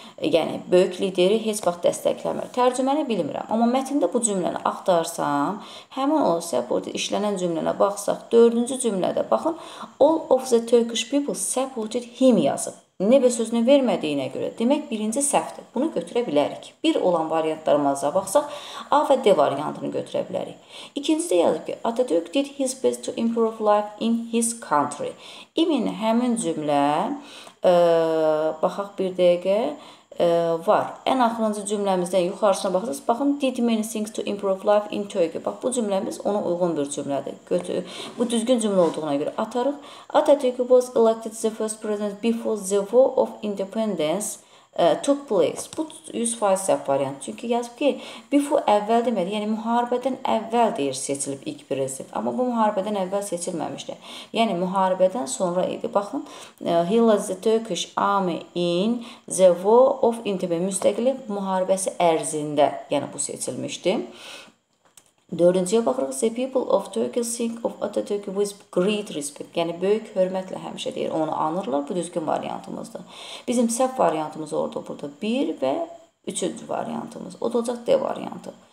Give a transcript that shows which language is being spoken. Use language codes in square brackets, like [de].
[az] Yəni, böyük lideri heç vaxt dəstəkləmir. Tərcüməni bilmirəm, amma mətndə bu cümləni axtarsam, həmin o supported işlənən cümlənə baxsaq, dördüncü cümlədə baxın, [en] all of the Turkish people supported him [az] yazıb. Nebə sözünü vermədiyinə görə. Demək, birinci səhvdir. Bunu götürə bilərik. Bir olan variantlarımıza baxsaq, A və D variantını götürə bilərik. İkinci də yazıb ki, [en] Atatürk did his best to improve life in his country. [az] İmin həmin cümlə, baxaq bir dəqiqə, var. Ən axırıncı cümləmizdən yuxarısına baxırsınız. [en] Baxın, did many things to improve life in Turkey. [az] Bax, bu cümləmiz ona uyğun bir cümlədir. Bu düzgün cümlə olduğuna görə atarıq. [en] Atatürk was elected the first president before the war of independence took place. [az] Bu 100% səhv variant. Çünki yazıb ki, before əvvəl demədi, yəni müharibədən əvvəl deyir seçilib ilk prezident. Amma bu müharibədən əvvəl seçilməmişdi. Yəni müharibədən sonra idi. [en] Baxın, he led the Turkish army in the war of independence. [az] Müstəqillik müharibəsi ərzində yəni bu seçilmişdi. Dördüncüyə baxırıq, [en] the people of Turkey think of Atatürk with great respect, [az] yəni böyük hörmətlə həmişə deyir, onu anırlar, bu düzgün variantımızdır. Bizim səhv variantımız orada burada bir və üçüncü variantımız, o da olacaq D variantı.